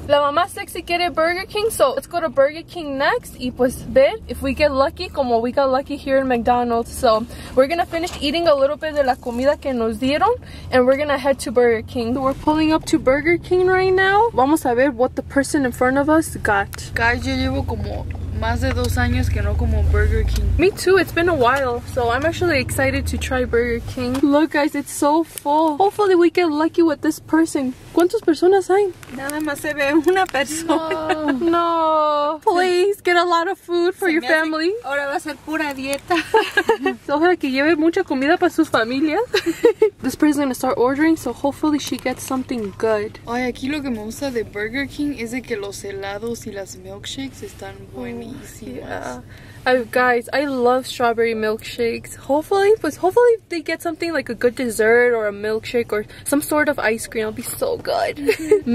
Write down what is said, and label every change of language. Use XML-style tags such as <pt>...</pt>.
<es>La mamá sexy quiere</es> <en>Burger King, so let's go to Burger King next.</en> <es>Y pues ver</es> <en>if we get lucky</en> <es>como</es> <en>we got lucky here in McDonald's. So we're gonna finish eating a little bit</en> <es>de la comida que nos dieron</es> <en>and we're gonna head to Burger King. We're pulling up to Burger King right now.</en> <es>Vamos a ver</es> <en>what the person in front of us got.</en> <es>Guys, yo llevo como más de 2 años que no como Burger King.</es> <en>Me too, it's been a while. So I'm actually excited to try Burger King. Look guys, it's so full. Hopefully we get lucky with this person.</en> <es>¿Cuántas personas hay? Nada más se ve una persona. No. No.</es> <en>Please, get a lot of food for your family.</en> <es>Ahora va a ser pura dieta. Ojalá que lleve mucha comida para sus familias.</es> <en>This person is going to start ordering, so hopefully she gets something good.</en> <es>Ay, aquí lo que me gusta de Burger King es de que los helados y las milkshakes están buenísimas. Oh,</es> <en>yeah. Guys, I love strawberry milkshakes. Hopefully they get something like a good dessert or a milkshake or some sort of ice cream. It'll be so good. Mm-hmm.</en>